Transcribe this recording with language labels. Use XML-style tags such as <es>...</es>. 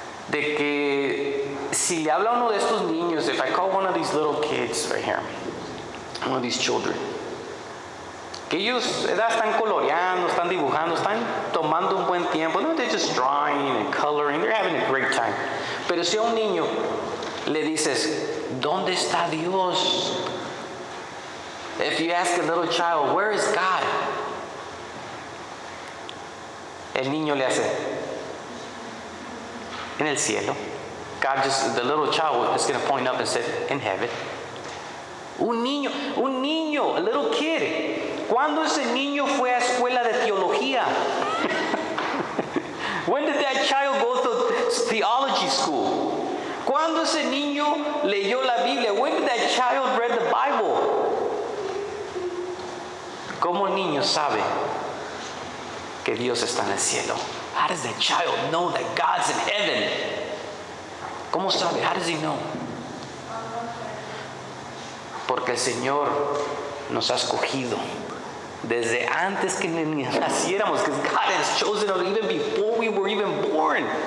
<es>De que si le habla uno de estos niños,</es> <en>if I call one of these little kids right here, one of these children,</en> <es>que ellos están coloreando, están dibujando, están tomando un buen tiempo.</es> <en>No, they're just drawing and coloring. They're having a great time.</en> <es>Pero si a un niño le dices, ¿dónde está Dios?</es> <en>If you ask a little child, where is God?</en> <es>El niño le hace, en el cielo.</es> <en>God just, the little child is going to point up and say, in heaven.</en> <es>Un niño,</es> <en>a little kid.</en> <es>¿Cuándo ese niño fue a escuela de teología?</es> <en>When did that child go to theology school?</en> <es>¿Cuándo ese niño leyó la Biblia?</es> <en>When did that child read the Bible?</en> <es>¿Cómo el niño sabe que Dios está en el cielo?</es> <en>How does the child know that God's in heaven?</en> <es>¿Cómo sabe?</es> <en>How does he know?</en> <es>Porque el Señor nos ha escogido desde antes que naciéramos.</es> <en>Because God has chosen us even before we were even born.</en>